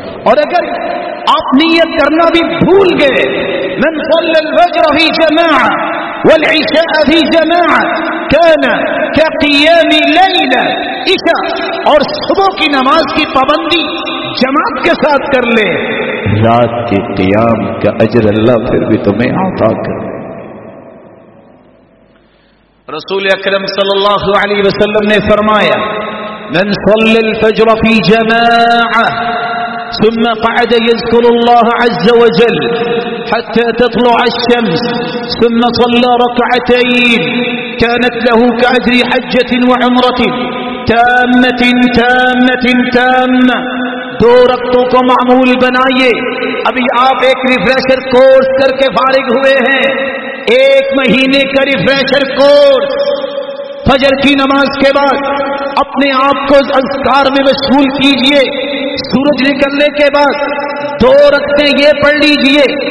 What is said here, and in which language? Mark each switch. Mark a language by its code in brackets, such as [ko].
[ur] اور اگر آپ نیت کرنا بھی بھول گئے, [ar] من صلى الفجر في جماعة والعشاء في جماعة كان كقيام ليلة, [ur] عشاء اور صبح کی نماز کی پابندی جماعت کے ساتھ کر لے, رات کے قیام کا اجر اللہ پھر بھی تمہیں عطا کرے. رسول اکرم صلی اللہ علیہ وسلم نے فرمایا, [ar] من صلى الفجر في جماعة ثم قعد يذكر الله عز وجل حتى تطلع الشمس ثم صلى ركعتين كانت له كأجر حجة وعمرة تامة تامة تامة. [ur] دو رکعتوں کو معمول بنائیے. ابھی آپ ایک ریفریشر کورس کر کے فارغ ہوئے ہیں, ایک مہینے کا ریفریشر کورس, فجر کی نماز کے بعد اپنے آپ کو اذکار میں مشغول کیجئے, سورج نکلنے کے بعد 2 رکعتیں یہ پڑھ لیجئے.